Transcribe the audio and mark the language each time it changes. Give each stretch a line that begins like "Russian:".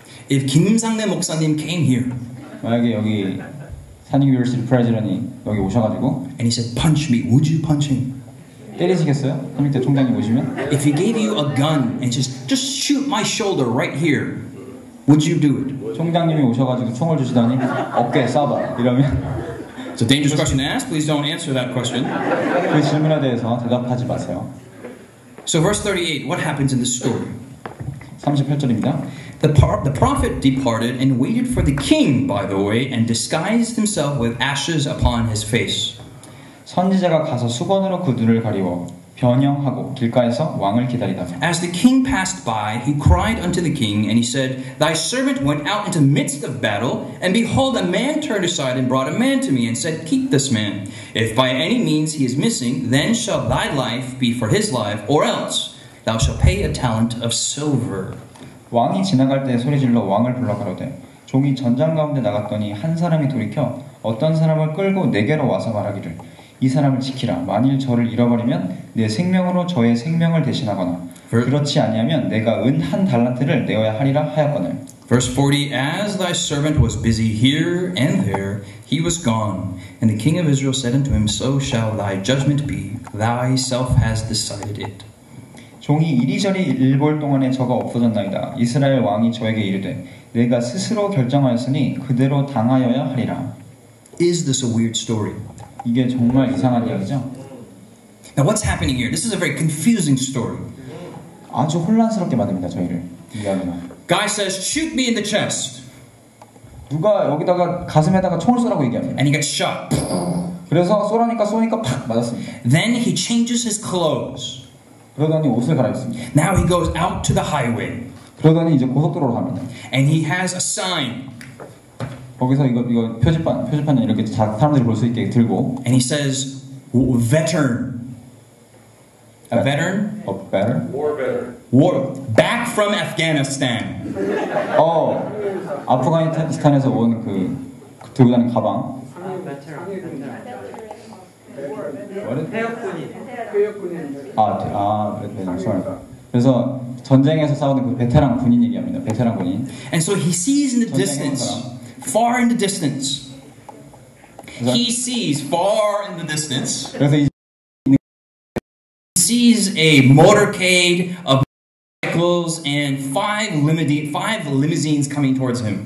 English: If 김상래 목사님 came here,
Korean: 만약에 여기 산익 유니버시티 프레지던이 여기 오셔가지고,
English: and he said, "Punch me. Would you punch him?"
Korean: 때리시겠어요? 한미대 총장님 오시면?
English: If he gave you a gun and just shoot my shoulder right here. Would you do it?
Korean: 총장님이 오셔가지고 총을 주시더니 어깨에 쏴봐 이러면
English: It's a dangerous question to ask. Please don't answer that question.
Korean: 그 질문에 대해서 대답하지 마세요.
English: So verse 38, what happens in this story?
Korean: 38절입니다.
English: The prophet departed and waited for the king, by the way, and disguised himself with ashes upon his face.
Korean: 선지자가 가서 수건으로 그 눈을 가리워 변형하고 길가에서 왕을 기다리다.
English: As the king passed by, he cried unto the king, and he said, Thy servant went out into the midst of battle, and behold, a man turned aside and brought a man to me, and said, Keep this man. If by any means he is missing, then shall thy life be for his life, or else thou shalt pay a talent of silver.
Korean: 왕이 지나갈 때 소리질러 왕을 불러 가로되 종이 전장 가운데 나갔더니 한 사람이 돌이켜 어떤 사람을 끌고 내게로 와서 말하기를 이 사람을 지키라 만일 저를 잃어버리면 내 생명으로 저의 생명을 대신하거나 그렇지 아니하면 내가 은 한 달란트를 내어야 하리라 하였거늘
English: Verse 40 As thy servant was busy here and there he was gone and the king of Israel said unto him so shall thy judgment be thyself has decided it
Korean: 종이 이리저리 일볼 동안에 저가 없어졌나이다. 이스라엘 왕이 저에게 이르되 내가 스스로 결정하였으니 그대로 당하여야 하리라.
English: Is this a weird story?
Korean: 이게 정말 이상한 이야기죠?
English: Now what's happening here? This is a very confusing story.
Korean: 아주 혼란스럽게 만듭니다, 저희를. 이야기는.
English: Guy says shoot me in the chest.
Korean: 누가 여기다가 가슴에다가 총을 쏘라고 얘기합니다.
English: And he gets shot.
Korean: 그래서 쏘니까 팍 맞았습니다.
English: Then he changes his clothes.
Korean: 그러더니 옷을 갈아입습니다.
English: Now he goes out to the highway.
Korean: 그러더니 이제 고속도로로 갑니다.
English: And he has a sign.
Korean: 거기서 이거 표지판 이렇게 사람들이 볼 수 있게 들고.
English: And he says, veteran. A veteran? A veteran? War veteran. War. Back from Afghanistan.
Korean: 어, 아프가니스탄에서 온 그 들고 다니는 가방.
English: What?
Korean: 해역군인. 아, 그래서 전쟁에서 싸우는 그 베테랑 군인 얘기합니다. 베테랑 군인.
English: And so he sees in the distance, far in the distance. He sees far in the distance.
Korean: 그래서
English: he sees a motorcade of vehicles and five limousines coming towards him.